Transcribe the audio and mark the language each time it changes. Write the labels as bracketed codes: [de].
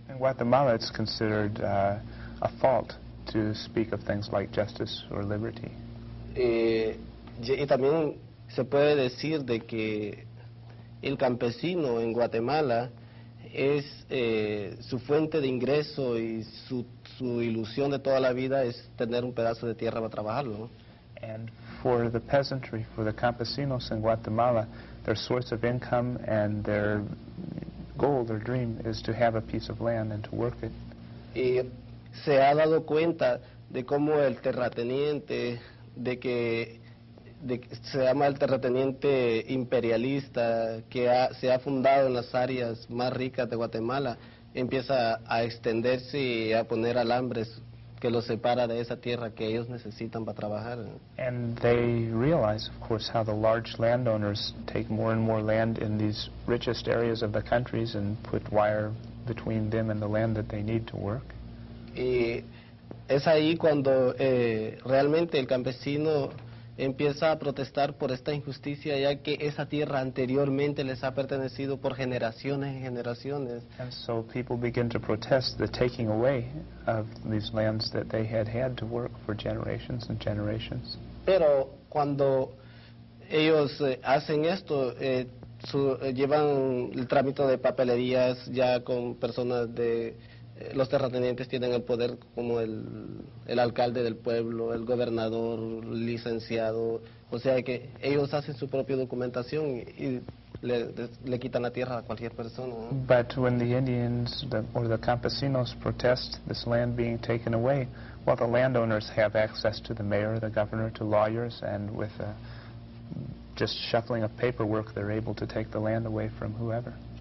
[en] In Guatemala it's considered a fault to speak of things like justice or liberty. [es] Y también se puede decir de que el campesino en Guatemala es su fuente de ingreso y su ilusión de toda la vida es tener un pedazo de tierra para trabajarlo. [en] And for the peasantry, for the campesinos in Guatemala, their source of income and their goal, their dream, is to have a piece of land and to work it. [es] Y se ha dado cuenta de cómo el terrateniente, se llama el terrateniente imperialista que se ha fundado en las áreas más ricas de Guatemala, empieza a extenderse y a poner alambres que los separa de esa tierra que ellos necesitan para trabajar. [en] And they realize, of course, how the large landowners take more and more land in these richest areas of the countries and put wire between them and the land that they need to work. [es] Y es ahí cuando realmente el campesino empieza a protestar por esta injusticia, ya que esa tierra anteriormente les ha pertenecido por generaciones y generaciones. [en] And so people begin to protest the taking away of these lands that they had had to work for generations and generations. [es] Pero cuando ellos hacen esto, llevan el trámite de papelerías ya con personas de... Los terratenientes tienen el poder como el alcalde del pueblo, el gobernador, licenciado. O sea que ellos hacen su propia documentación y le quitan la tierra a cualquier persona. [en] But when the Indians or the campesinos protest this land being taken away, well, the landowners have access to the mayor, the governor, to lawyers, and with just shuffling of paperwork, they're able to take the land away from whoever.